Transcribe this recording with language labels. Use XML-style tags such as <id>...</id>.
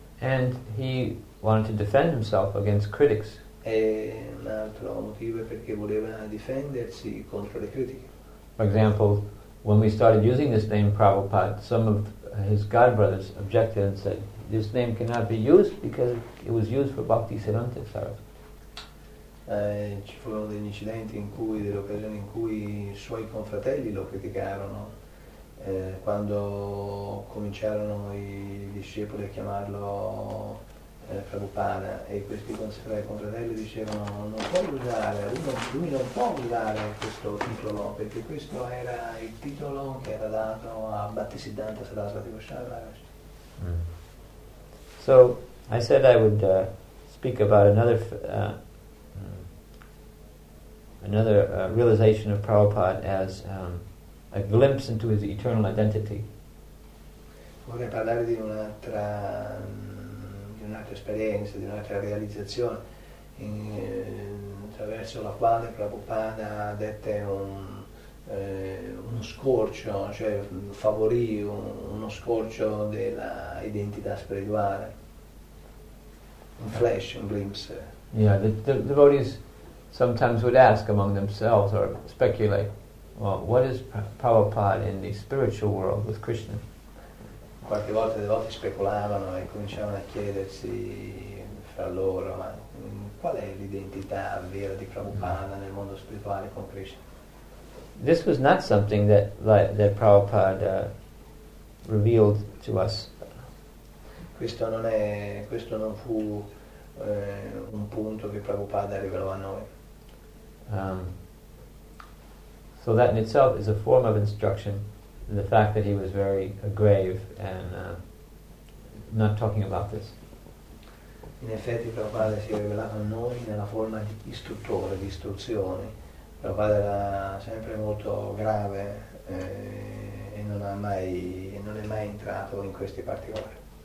<en>And he wanted to defend himself against critics.</en> <it>E un altro motivo è perché voleva difendersi contro le critiche.</it> <en>For example, when we started using this name Prabhupada, some of his god brothers objected and said, "This name cannot be used because it was used for Bhakti Siddhanta Sarasvati."</en> <it>Ci furono degli incidenti in cui, delle occasioni in cui i suoi confratelli lo criticarono quando cominciarono i discepoli a chiamarlo Prabhupada, e questi consacrati confratelli dicevano: non può usare, lui non può usare questo titolo, perché questo era il titolo che era dato a Bhaktisiddhanta Sarasvati Goswami.</it> <en>So I said I would speak about another realization of Prabhupada as a glimpse into his eternal identity.</en> <it>Vorrei parlare di un'altra esperienza, di un'altra realizzazione in, attraverso la quale Prabhupada dette uno scorcio, cioè favorì uno scorcio della identità spirituale. Un flash, un glimpse.</it> <en>Yeah, the devotees sometimes would ask among themselves or speculate, well, what is Prabhupada in the spiritual world with Krishna?</en> <it>Qualche volta i devoti speculavano e cominciavano a chiedersi fra loro, ma qual è l'identità vera di Prabhupada nel mondo spirituale con Krishna?</it> <en>This was not something that Prabhupada revealed to us.</en> <it>Questo non fu un punto che Prabhupada rivelò a noi.</it> <en>So that in itself is a form of instruction, in the fact that he was very grave and not talking about this.</en> <it>In effetti Prabhupada si è rivelato a noi nella forma di istruttore, di istruzione. Prabhupada era sempre molto grave e non è mai entrato in questi particolari.</it>